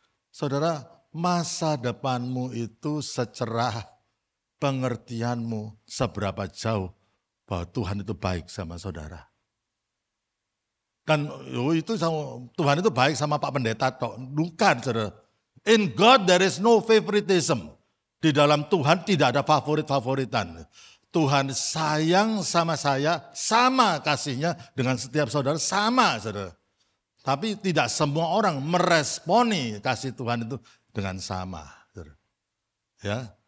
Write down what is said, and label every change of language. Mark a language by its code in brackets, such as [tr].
[id] Saudara, masa depanmu itu secerah pengertianmu seberapa jauh bahwa Tuhan itu baik sama saudara. Dan itu sama, Tuhan itu baik sama Pak Pendeta. Bukan, saudara. [en] In God there is no favoritism. [id] Di dalam Tuhan tidak ada favorit-favoritan. Tuhan sayang sama saya, sama kasihnya dengan setiap saudara, sama, saudara. Tapi tidak semua orang meresponi kasih Tuhan itu dengan sama, saudara. Ya.